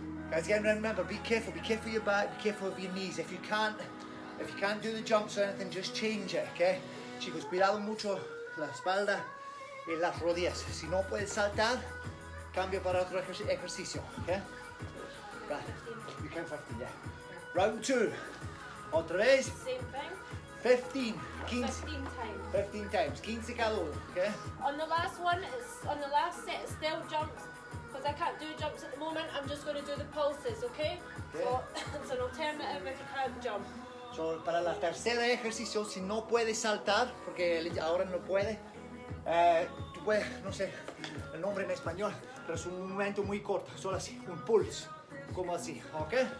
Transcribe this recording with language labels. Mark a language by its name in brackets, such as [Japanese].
[English] Guys, again, remember, be careful of your back, be careful of your knees. If you can't do the jumps or anything, just change it, okay? [Spanish] Chicos, cuidado mucho la espalda y las rodillas. Si no puedes saltar, cambio para otro ejercicio, okay? [English] Right, you can 15, yeah. Round two, [Spanish] otra vez. [English] Same thing. 15, 15 times. 15 times, 15 [Spanish] cada uno, [English] okay? On the last one, it's, on the last set, it's still jumps. Because I can't do jumps at the moment, I'm just going to do the pulses, okay? Okay. So, it's an alternative if you can't jump. [Spanish] So, para la tercera ejercicio, si no puedes saltar, porque ahora no puede, tú puedes, no sé el nombre en español, pero es un momento muy corto, solo así, un pulse, como así, ¿ok?